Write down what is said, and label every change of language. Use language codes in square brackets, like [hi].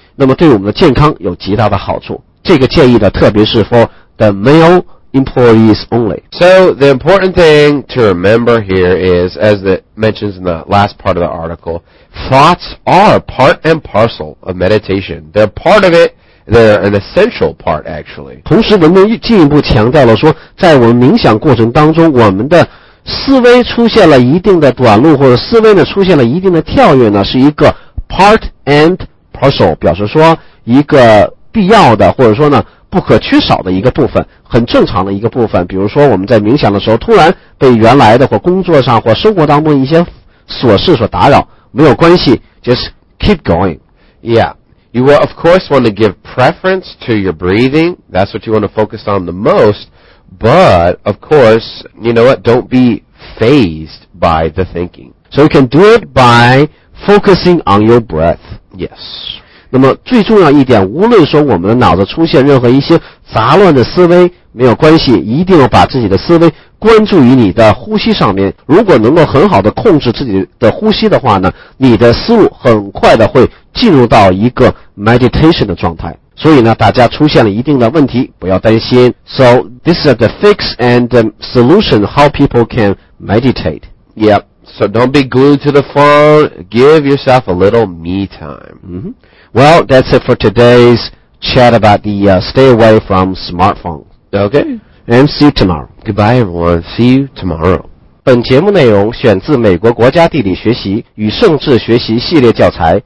[zh] 那么对我们的健康有极大的好处。这个建议呢，特别是 [en] for the male employees only. So the important thing to remember here is, as it mentions in the last part of the article, thoughts are part and parcel of meditation. They're part of it. They're an essential part, actually. [zh] 同时，文中进一步强调了说，在我们冥想过程当中，我们的思维出现了一定的短路，或者思维呢出现了一定的跳跃呢，是一个 [en] part and Parcel [zh] 表示说一个必要的或者说呢不可缺少的一个部分，很正常的一个部分。比如说我们在冥想的时候，突然被原来的或工作上或生活当中一些琐事所打扰，没有关系 ， [en] just keep going. Yeah, you will of course want to give preference to your breathing. That's what you want to focus on the most. But of course, you know what? Don't be phased by the thinking. So you can do it by focusing on your breath. Yes. [zh] 那么最重要一点，无论说我们的脑子出现任何一些杂乱的思维，没有关系，一定要把自己的思维关注于你的呼吸上面。如果能够很好的控制自己的呼吸的话呢，你的思路很快的会进入到一个 meditation 的状态。所以呢，大家出现了一定的问题，不要担心。 [en] So this is the fix and the solution how people can meditate. Yep. So don't be glued to the phone. Give yourself a little me time. Mm-hmm. Well, that's it for today's chat about the stay away from smartphones. Okay. And see you tomorrow. Goodbye, everyone. See you tomorrow. [zh] 本节目内容选自美国国家地理学习与政治学习系列教材。